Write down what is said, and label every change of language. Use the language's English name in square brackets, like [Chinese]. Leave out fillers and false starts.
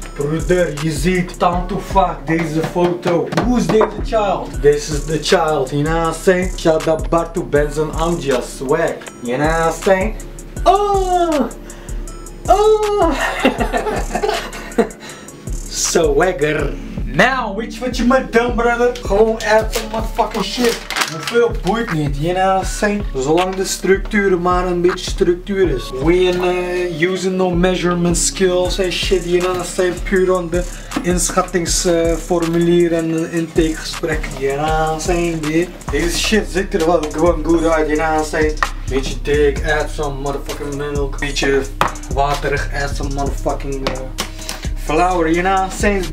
[Dutch] Broeder, je ziet [English] time to fuck [Dutch] deze foto. [English] Who's this child? This is the child, you know what I'm saying? Shout out Bart to Benson, I'm just swag. You know what I'm saying? Oh! Oh! Swagger. Now, which what you might done, brother? [Dutch] Gewoon [English] add some motherfucking shit. [Dutch] Hoeveel boeit niet, [English] you know what I'm saying? [Dutch] Zolang de structuur maar een beetje structuur is. [English] We ain't using no measurement skills and shit, you know what I'm saying? [Dutch] Puur on de inschattingsformulier en intakegesprek, [English] you know what I'm saying, dude? [Dutch] Deze shit ziet er wel gewoon goed uit, [English] you know what I'm saying? [Dutch] Beetje dik, [English] add some motherfucking milk. [Dutch] Beetje waterig, [English] add some motherfucking flour, you know what I'm saying?